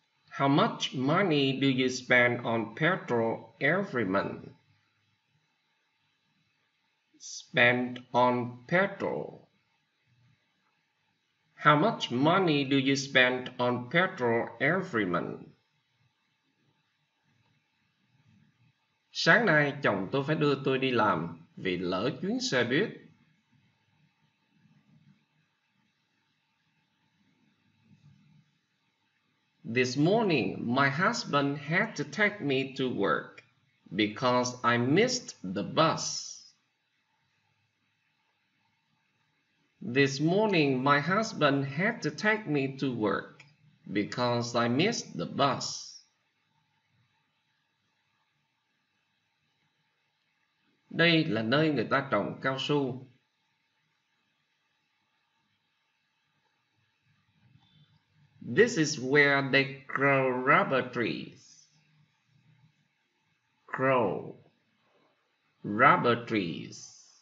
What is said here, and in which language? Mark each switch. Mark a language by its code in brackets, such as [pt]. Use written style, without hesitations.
[en] How much money do you spend on petrol every month? Spend on petrol. How much money do you spend on petrol every month? [vi] Sáng nay chồng tôi phải đưa tôi đi làm vì lỡ chuyến xe buýt. [en] This morning, my husband had to take me to work because I missed the bus. This morning, my husband had to take me to work because I missed the bus. [vi] Đây là nơi người ta trồng cao su. [en] This is where they grow rubber trees. Grow rubber trees.